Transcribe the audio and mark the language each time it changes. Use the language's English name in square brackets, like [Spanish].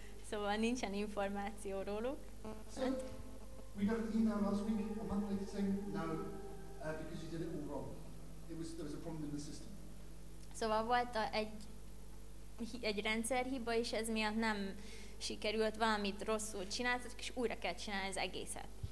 [Hungarian] Szóval nincsen információ róluk. [English] We got an email last week, a month later, saying no, because you did it all wrong. There was a problem in the system. [Hungarian] Szóval volt egy rendszerhiba, és ez miatt nem sikerült valamit rosszul csinálni, és újra kell csinálni az egészet.